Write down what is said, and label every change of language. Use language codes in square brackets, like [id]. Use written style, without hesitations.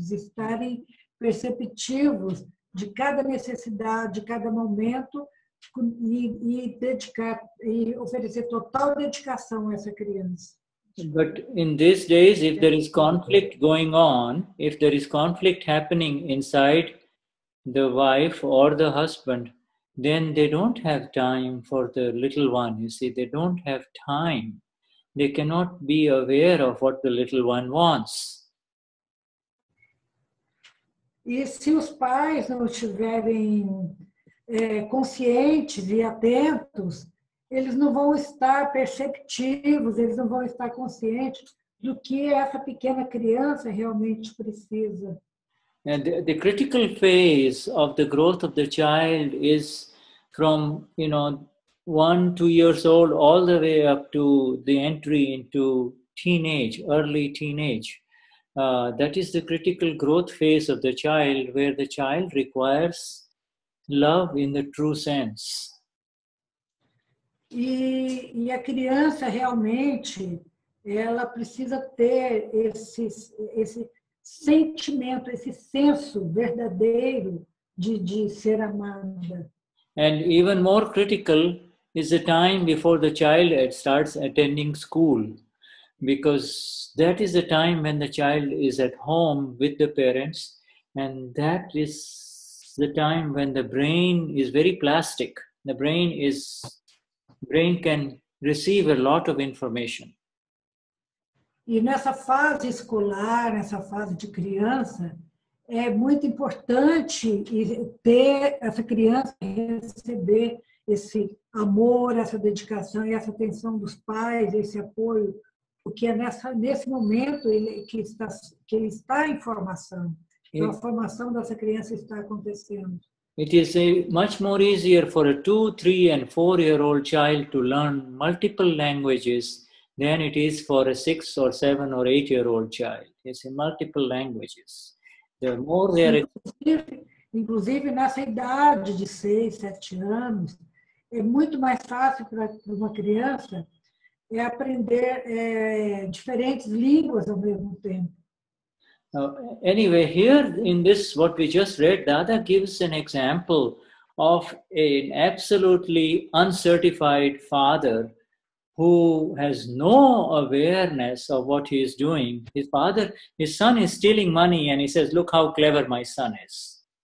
[pt] Eles estarem perceptivos de cada necessidade, de cada momento e oferecer total dedicação a essa criança. [en] But in these days, if there is conflict going on, if there is conflict happening inside the wife or the husband, then they don't have time for the little one. You see, they don't have time. They cannot be aware of what the little one wants. [pt] E se os pais não estiverem conscientes e atentos, eles não vão estar perceptivos, eles não vão estar conscientes do que essa pequena criança realmente precisa. [en] And the critical phase of the growth of the child is from, you know, 1-2 years old all the way up to the entry into teenage, early teenage. That is the critical growth phase of the child, where the child requires love in the true sense. [pt] E a criança realmente, ela precisa ter esse sentimento, esse senso verdadeiro de ser amada. [en] And even more critical is the time before the child starts attending school, because that is the time when the child is at home with the parents, and that is the time when the brain is very plastic. The brain is... Brain can receive a lot of information. [pt] E nessa fase escolar, nessa fase de criança, é muito importante ter essa criança receber esse amor, essa dedicação e essa atenção dos pais, esse apoio, porque é nesse momento que ele está em formação. Então, a formação dessa criança está acontecendo. [en] It is much more easier for a 2, 3 and 4 year old child to learn multiple languages than it is for a 6 or 7 or 8 year old child. It's in multiple languages. The more they are. [pt] Inclusive nessa idade de 6, 7 anos, é muito mais fácil para uma criança é aprender diferentes línguas ao mesmo tempo. [en] Anyway, here in this, what we just read, Dada gives an example of an absolutely uncertified father who has no awareness of what he is doing. His father, his son is stealing money and he says, look how clever my son is.